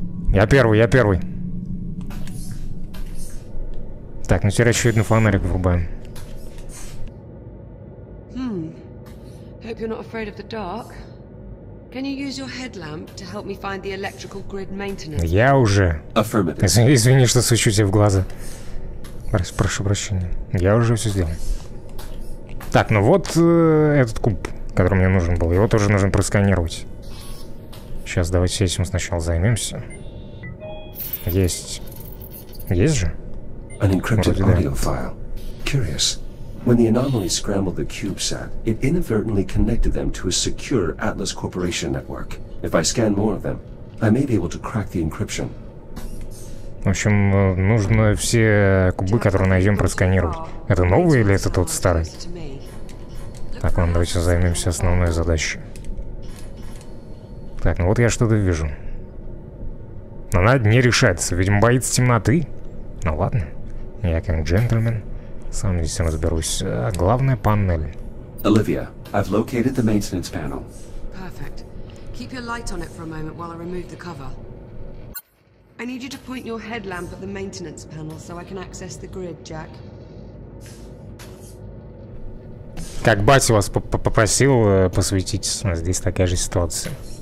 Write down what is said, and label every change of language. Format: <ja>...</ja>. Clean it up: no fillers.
<ru>Я первый. Так, ну теперь еще один фонарик врубаем.</ru> <en>Hope you're not afraid of the dark. Can you use your headlamp to help me find the electrical grid maintenance?</en> <ru>Я уже. Извини, что свечу тебе в глаза. Прошу прощения. Я уже все сделал. Так, ну вот этот куб, который мне нужен был. Его тоже нужно просканировать. Сейчас давайте этим сначала займемся. Есть. Есть же?</ru> <en>An encrypted audio file. Curious. When the anomaly scrambled the CubeSat, it inadvertently connected them to a secure Atlas Corporation network. If I scan more of them, I may be able to crack the encryption.</en> <ru>В общем, нужно все кубы, которые найдем, просканировать. Это новый или это тот старый? Так, ладно, давайте займемся основной задачей. Так, ну вот я что-то вижу. Но она не решается, видимо, боится темноты. Ну ладно, я как джентльмен, сам здесь разберусь. А главная панель.</ru> <en>Olivia, I've located the maintenance panel. Perfect. Keep your light on it for a moment while I remove the cover. I need you to point your headlamp at the maintenance panel so I can access the grid, Jack.</en> <ru>Как батя вас попросил посветить, здесь такая же ситуация.</ru>